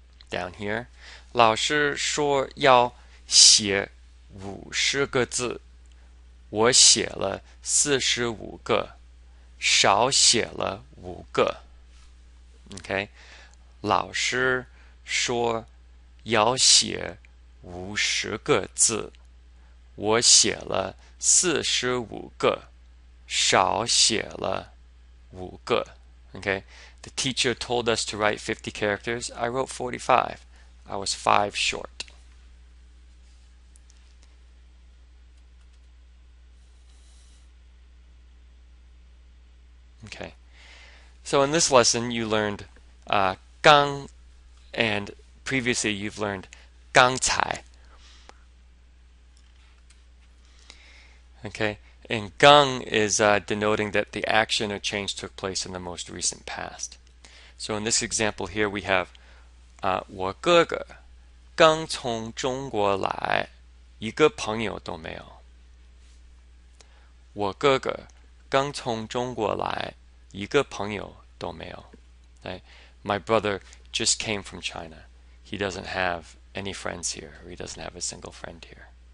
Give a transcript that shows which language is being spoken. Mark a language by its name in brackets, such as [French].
[English] Down here, [Chinese] 老师说要写50个字，我写了45个，少写了5个. Okay, 老师说 要写50个字，我写了45个，少写了5个. [English] Okay, the teacher told us to write 50 characters. I wrote 45. I was 5 short. Okay, so in this lesson, you learned 刚 and previously, you've learned [Chinese] 刚才. [English] Okay, and 刚 is denoting that the action or change took place in the most recent past. So in this example here, we have [Chinese] 我哥哥刚从中国来，一个朋友都没有. 我哥哥刚从中国来，一个朋友都没有. [English] Right? My brother just came from China. He doesn't have any friends here, or he doesn't have a single friend here.